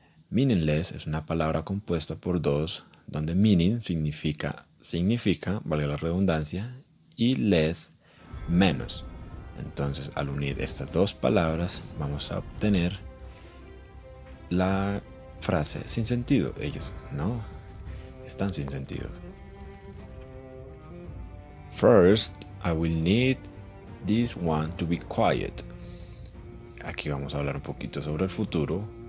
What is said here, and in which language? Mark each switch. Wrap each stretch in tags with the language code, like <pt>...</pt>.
<es>Meaningless es una palabra compuesta por dos, donde meaning significa, valga la redundancia, y less, menos. Entonces al unir estas dos palabras vamos a obtener la frase sin sentido. Ellos no están sin sentido.</es> <en>First, I will need this one to be quiet.</en> <es>Aquí vamos a hablar un poquito sobre el futuro.</es>